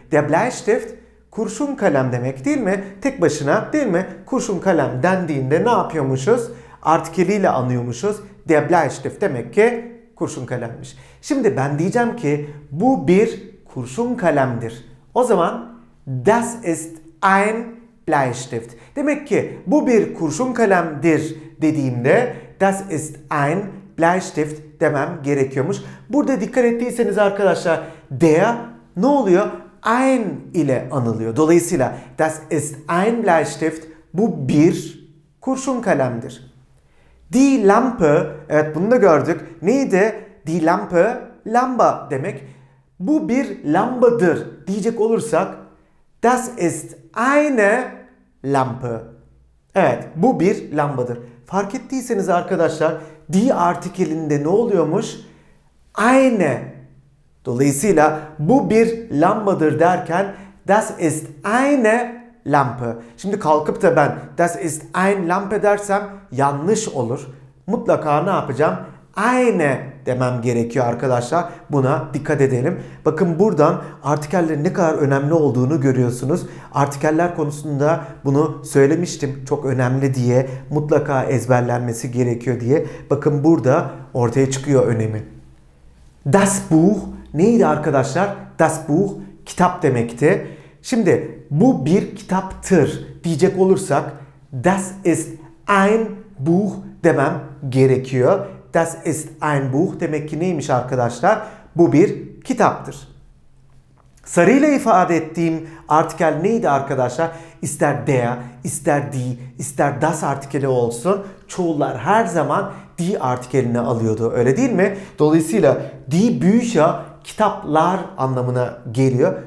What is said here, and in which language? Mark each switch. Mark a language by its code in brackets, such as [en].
[tr] Der Bleistift kurşun kalem demek değil mi? Tek başına değil mi? Kurşun kalem dendiğinde ne yapıyormuşuz? Artikeliyle anlıyormuşuz. Der Bleistift demek ki kurşun kalemmiş. Şimdi ben diyeceğim ki bu bir kurşun kalemdir. O zaman [de] das ist ein Bleistift. [tr] Demek ki bu bir kurşun kalemdir dediğimde das ist ein Bleistift demem gerekiyormuş. Burada dikkat ettiyseniz arkadaşlar der ne oluyor? Ein ile anılıyor. Dolayısıyla [de] das ist ein Bleistift, [tr] bu bir kurşun kalemdir. Die Lampe, evet bunu da gördük. Neydi? Die Lampe, lamba demek. Bu bir lambadır diyecek olursak [de] das ist eine Lampe. [tr] Evet, bu bir lambadır. Fark ettiyseniz arkadaşlar die artikelinde ne oluyormuş? Eine. Dolayısıyla bu bir lambadır derken [de] das ist eine Lampe. [tr] Şimdi kalkıp da ben [de] das ist ein Lampe [tr] dersem yanlış olur. Mutlaka ne yapacağım? Eine demem gerekiyor arkadaşlar. Buna dikkat edelim. Bakın buradan artikellerin ne kadar önemli olduğunu görüyorsunuz. Artikeller konusunda bunu söylemiştim. Çok önemli diye, mutlaka ezberlenmesi gerekiyor diye. Bakın burada ortaya çıkıyor önemi. Das Buch neydi arkadaşlar? Das Buch kitap demekti. Şimdi bu bir kitaptır diyecek olursak [de] das ist ein Buch [tr] demem gerekiyor. [de] Das ist ein Buch [tr] demek ki neymiş arkadaşlar? Bu bir kitaptır. Sarıyla ifade ettiğim artikel neydi arkadaşlar? İster der, ister die, ister das artikeli olsun, çoğullar her zaman die artikelini alıyordu. Öyle değil mi? Dolayısıyla die Bücher kitaplar anlamına geliyor.